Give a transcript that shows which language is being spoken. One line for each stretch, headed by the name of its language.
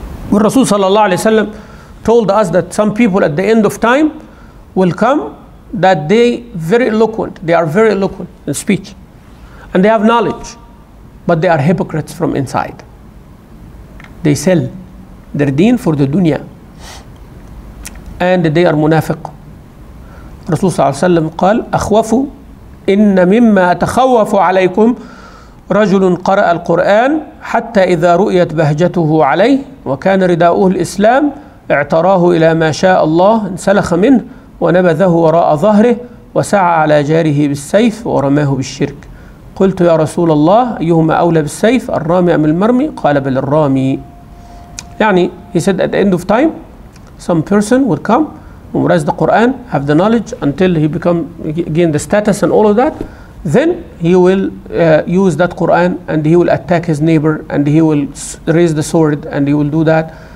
English: When Rasul sallallahu alayhi wa sallam told us that some people at the end of time will come that they very eloquent, they are very eloquent in speech, and they have knowledge, but they are hypocrites from inside. They sell their deen for the dunya, and they are munafiq.
Arabic: Rasul sallallahu alayhi wa sallam qal, akhwafu inna mimma atakhawafu alaykum رجل قرأ القرآن حتى إذا رؤيت بهجته عليه وكان رداؤه الإسلام اعتراه إلى ما شاء الله انسلخ منه ونبذه وراء ظهره وسعى على جاره بالسيف ورماه بالشرك. قلت يا رسول الله أيهما أولى بالسيف الرامي أم المرمي؟ قال بل الرامي.
English: يعني he said at the end of time some person would come and raise the Quran, have the knowledge until he become gain the status and all of that. Then he will use that Quran and he will attack his neighbor and he will raise the sword and he will do that.